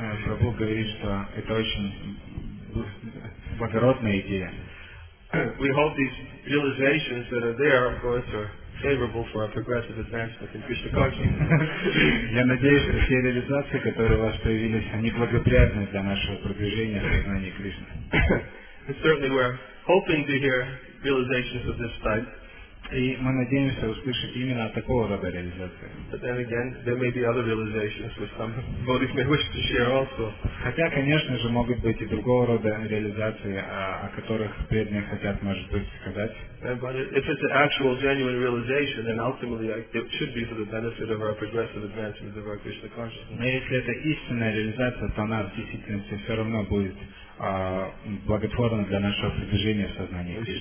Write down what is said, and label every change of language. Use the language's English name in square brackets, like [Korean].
[Russian] Прабху говорит, что это очень благородная идея. [English] We hope these realizations that are there, of course, are favorable for our progressive advancement in Krishna consciousness. [Russian] Я надеюсь, что все реализации, которые у вас появились, они благоприятны для нашего продвижения в сознании Кришны. [English] Certainly we're hoping to hear realizations of this type. [Russian] И мы надеемся услышать именно от такого рода реализации. [English] But then again, there may be other realizations which some devotees may wish to share also. [Russian] Хотя, конечно же, могут быть и другого рода реализации, о которых преданные хотят, может быть, сказать. [English] But if it's an actual, genuine realization, then ultimately it should be for the benefit of our progressive advancement of our Krishna consciousness. [Russian] Но если это истинная реализация, то она в действительности все равно будет благотворно для нашего продвижения в сознании